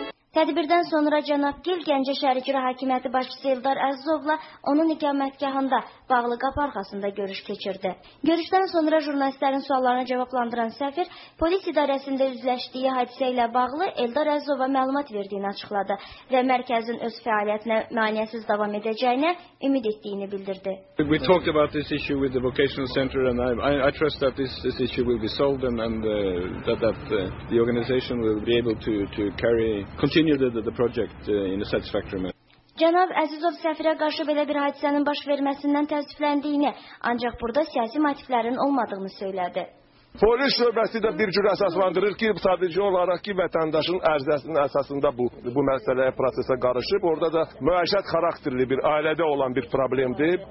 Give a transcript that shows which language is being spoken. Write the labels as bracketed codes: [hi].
[az] Tədbirdən sonra cənab Gil Gəncə Şəhər İcra Hakimiyyəti başçısı Eldar Əzizovla onun iqamətgahında bağlı qapı arxasında görüş keçirdi. Görüşdən sonra jurnalistlərin suallarına cavablandıran səfir polis idarəsində üzləşdiyi hadisə ilə bağlı Eldar Əzizova məlumat verdiyini açıqladı və mərkəzin öz fəaliyyətinə maneəsiz davam edəcəyinə ümid etdiyini bildirdi. [en] We talked about this issue with the vocational center and I trust that this issue will be solved and that the organization will be able to carry continue the project in a satisfactory manner. [az] Cənab Əzizov səfirə qarşı belə bir hadisənin baş verməsindən təəssüfləndiyini, ancaq burada siyasi motivlərin olmadığını söylədi. Polis şöbəsi də bir cür əsaslandırır ki, sadəcə olaraq ki, vətəndaşın ərzəsinin əsasında bu məsələyə, prosesə qarışıb. Orada da müəşşət xarakterli bir ailədə olan bir problemdir.